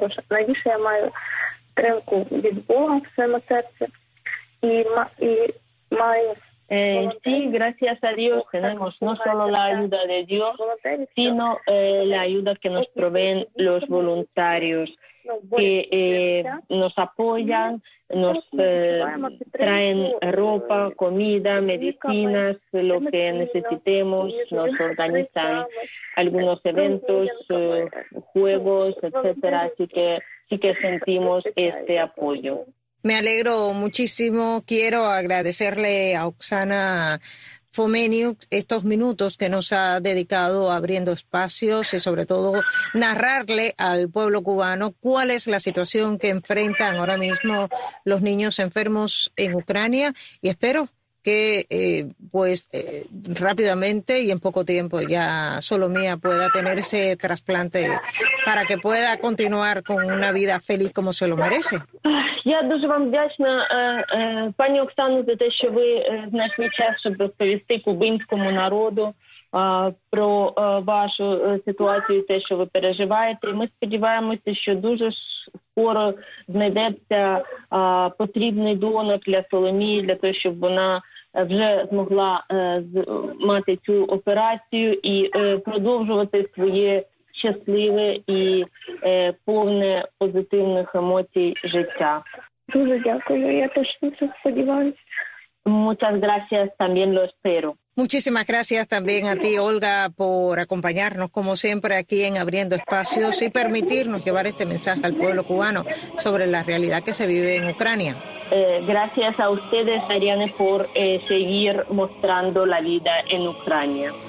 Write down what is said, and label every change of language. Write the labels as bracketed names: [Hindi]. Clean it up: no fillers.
[Ukrainian] Найбільше я маю тримку від Бога в своєму серці. І маю [Spanish] Sí, gracias a Dios tenemos no solo la ayuda de Dios, sino la ayuda que nos proveen los voluntarios, que nos apoyan, nos traen ropa, comida, medicinas, lo que necesitemos, nos organizan algunos eventos, juegos, etcétera. Así que sí que sentimos este apoyo. Me alegro muchísimo. Quiero agradecerle a Oksana Fomeniuk estos minutos que nos ha dedicado abriendo espacios y sobre todo narrarle al pueblo cubano cuál es la situación que enfrentan ahora mismo los niños enfermos en Ucrania. Y espero que rápidamente y en poco tiempo ya Solomía pueda tener ese trasplante para que pueda continuar con una vida feliz como se lo merece. [Ukrainian] Я дуже вам вдячна, пані Оксано, за те, що ви знайшли час, щоб розповісти кубинському народу про вашу ситуацію, те, що ви переживаєте. І ми сподіваємося, що дуже скоро знайдеться потрібний донор для Соломії, для того, щоб вона вже змогла мати цю операцію і продовжувати своє щасливе і повне позитивних емоцій життя. Дуже дякую, я теж дуже сподіваюся. [Spanish] Muchas gracias, también lo espero. Muchísimas gracias también a ti, Olga, por acompañarnos, como siempre, aquí en Abriendo Espacios y permitirnos llevar este mensaje al pueblo cubano sobre la realidad que se vive en Ucrania. Gracias a ustedes, Ariane, por seguir mostrando la vida en Ucrania.